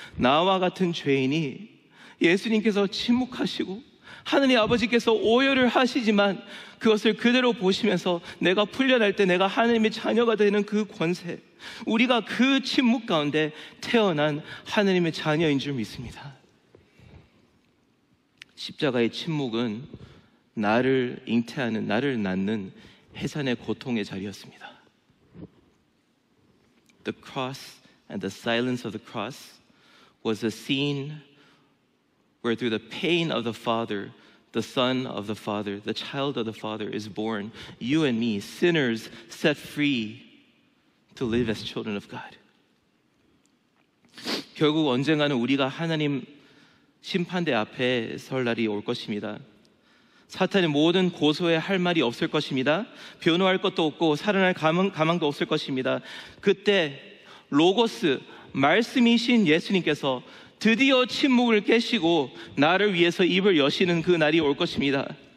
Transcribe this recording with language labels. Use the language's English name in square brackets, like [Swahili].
[Korean] 나와 같은 죄인이 예수님께서 침묵하시고 하느님 아버지께서 오열을 하시지만 그것을 그대로 보시면서 내가 풀려날 때 내가 하느님의 자녀가 되는 그 권세, 우리가 그 침묵 가운데 태어난 하느님의 자녀인 줄 믿습니다. 십자가의 침묵은 나를 잉태하는, 나를 낳는 해산의 고통의 자리였습니다. [English] The cross and the silence of the cross was a scene where through the pain of the Father, the Son of the Father, the child of the Father is born, you and me, sinners set free to live as children of God. [Korean] 결국 언젠가는 우리가 하나님 심판대 앞에 설 날이 올 것입니다. 사탄의 모든 고소에 할 말이 없을 것입니다. 변호할 것도 없고 살아날 가망도 없을 것입니다. 그때 로고스, 말씀이신 예수님께서 드디어 침묵을 깨시고 나를 위해서 입을 여시는 그 날이 올 것입니다.